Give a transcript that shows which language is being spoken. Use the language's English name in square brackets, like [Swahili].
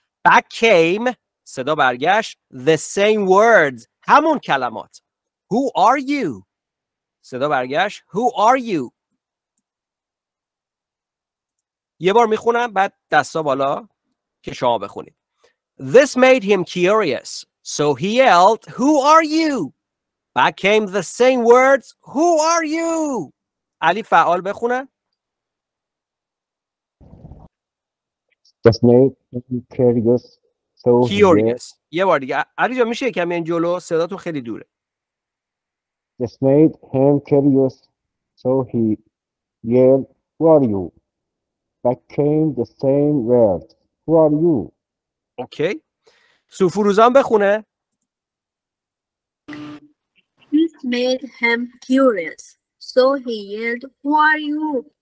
[English] Back came، [Persian] صدا برگشت. [English] The same words، [Persian] همون کلمات. [English] Who are you، [Persian] صدا برگشت. [English] Who are you. [Persian] یه بار میخونم بعد دستا بالا که شما بخونید. [English] This made him curious so he yelled who are you. Back came the same words who are you. [Persian] علی فعال بخونه. [English] This made him curious so curious. [Persian] یه بار دیگه علی جا میشه یکم این جلو، صدا تو خیلی دوره. [English] This made him curious so he yelled who are you. Back came the same words who are you. [Persian] Okay. سوفروزان بخونه. [English] This made him curious so he yelled who are you.